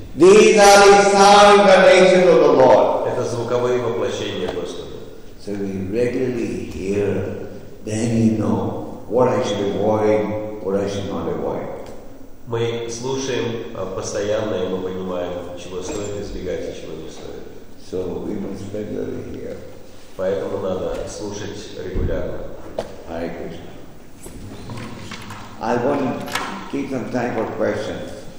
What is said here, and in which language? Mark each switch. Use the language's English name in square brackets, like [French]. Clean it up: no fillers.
[English] These are the sound incarnations of the Lord. [Russian] Это звуковые воплощения Господа. [English] So we regularly hear, then you know what I should avoid, what I should not avoid. [Russian] Мы слушаем постоянно и мы понимаем, чего стоит избегать и чего не стоит. [English] So we must regularly hear. [Russian] Поэтому надо слушать регулярно. [English] Hare Krishna. I want to keep some time for questions.